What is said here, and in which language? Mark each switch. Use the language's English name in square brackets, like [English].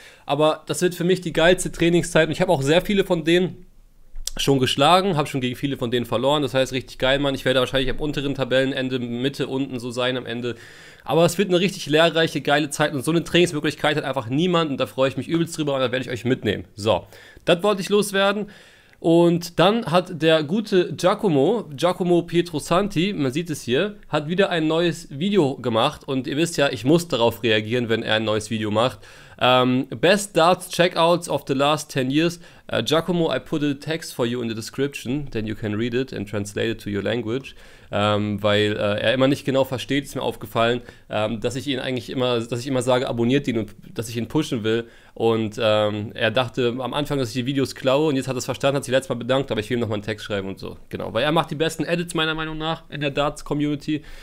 [German] Aber das wird für mich die geilste Trainingszeit und ich habe auch sehr viele von denen schon geschlagen, habe schon gegen viele von denen verloren, das heißt richtig geil, Mann, ich werde wahrscheinlich am unteren Tabellenende, Mitte, unten so sein am Ende, aber es wird eine richtig lehrreiche, geile Zeit und so eine Trainingsmöglichkeit hat einfach niemand und da freue ich mich übelst drüber und da werde ich euch mitnehmen. So, das wollte ich loswerden und dann hat der gute Giacomo Pietrosanti, man sieht es hier, hat wieder ein neues Video gemacht und ihr wisst ja, ich muss darauf reagieren, wenn er ein neues Video macht. [English] Best Darts Checkouts of the last 10 years. Giacomo, I put a text for you in the description, then you can read it and translate it to your language. [German] Weil er immer nicht genau versteht, ist mir aufgefallen, dass ich immer sage, abonniert ihn und dass ich ihn pushen will. Und er dachte am Anfang, dass ich die Videos klaue und jetzt hat er es verstanden, hat sich letztes Mal bedankt, aber ich will ihm nochmal einen Text schreiben und so. Genau, weil er macht die besten Edits meiner Meinung nach in der Darts Community.